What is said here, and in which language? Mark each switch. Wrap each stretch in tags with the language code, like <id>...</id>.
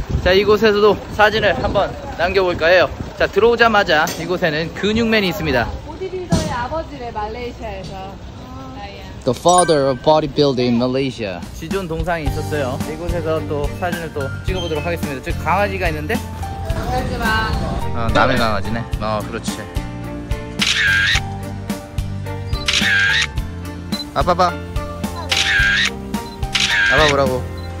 <ko>자, 이곳에서도 사진을 한번 남겨볼까 해요. 자, 들어오자마자 이곳에는 근육맨이 있습니다. 보디빌더의 아버지를 말레이시아에서</ko> <en>The father of bodybuilding in Malaysia.</en> <ko>지존 동상이 있었어요. 이곳에서 또 사진을 또 찍어보도록 하겠습니다. 즉 강아지가 있는데? 그러지 마. 어, 남의 강아지네. 어, 그렇지. 아빠 봐. 아빠 보라고.</ko>